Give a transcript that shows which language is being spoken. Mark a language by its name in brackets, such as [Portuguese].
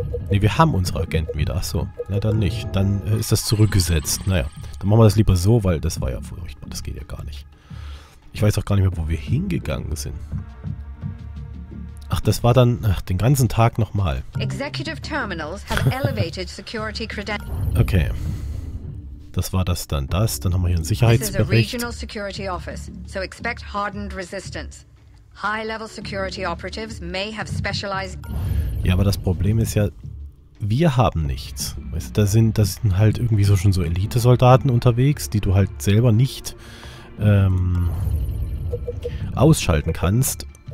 [German] Ne, wir haben unsere Agenten wieder. Achso, na dann nicht. Dann ist das zurückgesetzt. Naja, dann machen wir das lieber so, weil das war ja furchtbar. Das geht ja gar nicht. Ich weiß auch gar nicht mehr, wo wir hingegangen sind. Ach, das war dann den ganzen Tag nochmal. [English] Executive Terminals have elevated security credentials. [German] Okay. Das war das dann das. Dann haben wir hier einen Sicherheitsbericht. [English] This is a regional security office, so expect hardened resistance. High-level security operatives may have specialized. [German] Ja, aber das Problem ist ja, wir haben nichts. Weißt du, da sind halt irgendwie so schon so Elite-Soldaten unterwegs, die du halt selber nicht ausschalten kannst.